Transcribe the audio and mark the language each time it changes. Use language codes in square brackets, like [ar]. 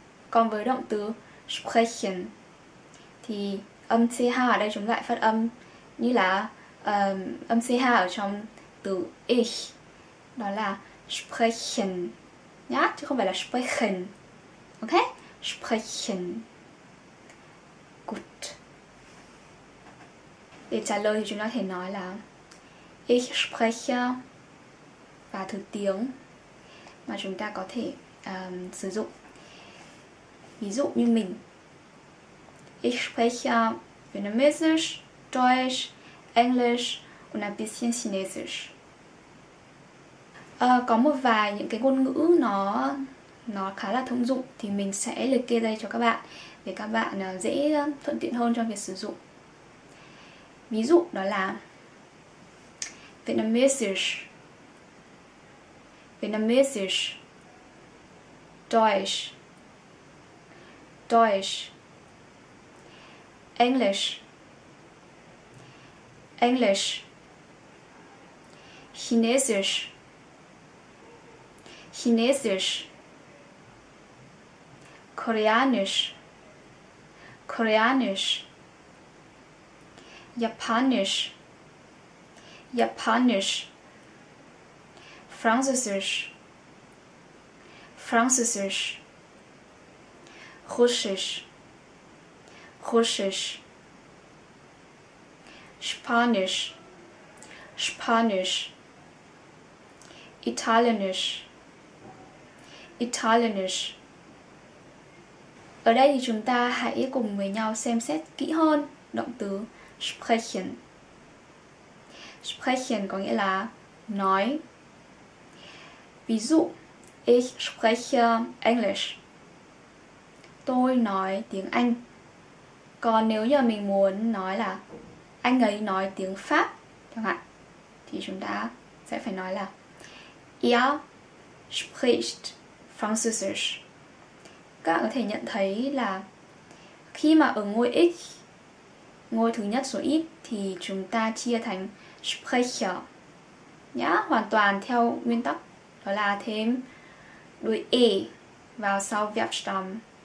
[vi] Còn với động từ Sprechen thì âm CH ở đây chúng ta phát âm như là âm CH ở trong từ Ich, đó là Sprechen nhá, chứ không phải là Sprechen. Ok? Sprechen. [de] Gut. [vi] Để trả lời thì chúng ta có thể nói là [de] ich spreche, [vi] và thứ tiếng mà chúng ta có thể sử dụng. Ví dụ như mình, [de] ich spreche Vietnamesisch, Deutsch, Englisch und ein bisschen Chinesisch. [vi] Có một vài những cái ngôn ngữ nó khá là thông dụng thì mình sẽ liệt kê đây cho các bạn để các bạn dễ thuận tiện hơn trong việc sử dụng. Ví dụ đó là [de] Vietnamesisch, Vietnamesisch, Deutsch, Deutsch, Englisch, Englisch, Chinesisch, Chinesisch, Koreanisch, Koreanisch, Japanisch, Japanisch, Französisch, Französisch, Russisch, Russisch, Spanisch, Spanisch, Italienisch, Italienisch. [vi] Ở đây thì chúng ta hãy cùng với nhau xem xét kỹ hơn động từ sprechen. Sprechen có nghĩa là nói. Ví dụ, [de] ich spreche Englisch. [vi] Tôi nói tiếng Anh. Còn nếu như mình muốn nói là anh ấy nói tiếng Pháp chẳng hạn, thì chúng ta sẽ phải nói là [de] er spricht Französisch. [vi] Các bạn có thể nhận thấy là khi mà ở ngôi ich, ngôi thứ nhất số ít, thì chúng ta chia thành spreche nhá, hoàn toàn theo nguyên tắc đó là thêm đuôi e vào sau verb stamm.